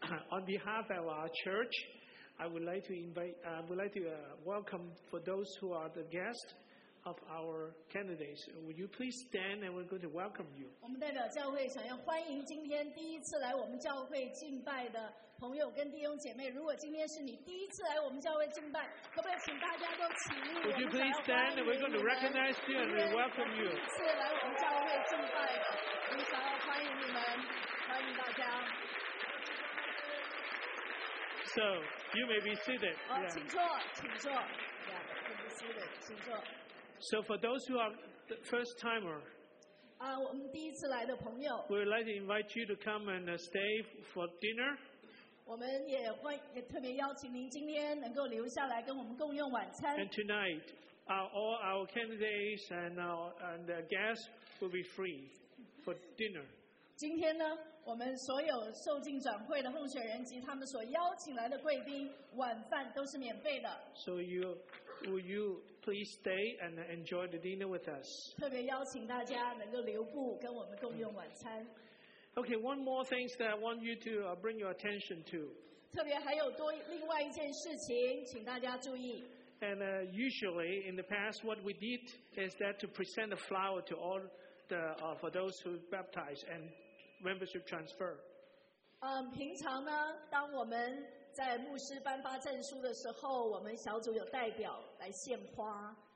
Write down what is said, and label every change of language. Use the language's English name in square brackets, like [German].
[English] On behalf of our church, I would like to welcome for those who are the guests of our candidates. Would you please stand and we're going to welcome you. [Chinese] 我们代表教会想要欢迎今天第一次来我们教会敬拜的朋友跟弟兄姐妹。如果今天是你第一次来我们教会敬拜，可不可以请大家都起立？ [English] Would you please stand and we're going to recognize you and we welcome you. [Chinese] 第一次来我们教会敬拜的，我们想要欢迎你们，欢迎大家。 [English] So, you may be seated. Yeah. [Chinese] 请坐，请坐。 [English] Yeah, you may be seated. [Chinese] 请坐。 [English] So, for those who are the first timer, [Chinese] 我们第一次来的朋友， [English] we would like to invite you to come and stay for dinner. [Chinese] 我们也特别邀请您今天能够留下来跟我们共用晚餐。 [English] And tonight, all our candidates and guests will be free for dinner. [Chinese] 今天呢？我们所有受浸转会的候选人及他们所邀请来的贵宾，晚饭都是免费的。 [English] So you, will you please stay and enjoy the dinner with us? [Chinese] 特别邀请大家能够留步跟我们共用晚餐。 [English] Okay, one more thing that I want you to bring your attention to. [Chinese] 特别还有多另外一件事情，请大家注意。 [English] And usually in the past, what we did is that to present a flower to all the for those who baptized and. Membership transfer. [Chinese] 平常呢，当我们在牧师颁发证书的时候，我们小组有代表来献花。